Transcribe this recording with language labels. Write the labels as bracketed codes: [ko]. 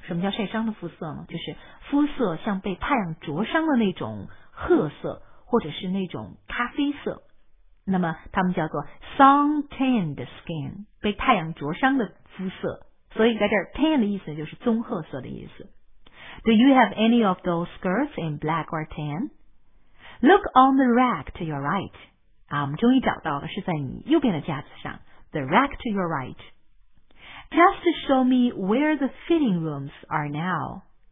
[zh] 什么叫晒伤的肤色呢？就是肤色像被太阳灼伤的那种褐色，或者是那种咖啡色，那么他们叫做 sun tanned skin， 被太阳灼伤的肤色。所以在这儿 tan 的意思就是棕褐色的意思。 [en] Do you have any of those skirts in black or tan? Look on the rack to your right. [zh] 我们终于找到了，是在你右边的架子上。 [en] The rack to your right. Just show me where the fitting rooms are now.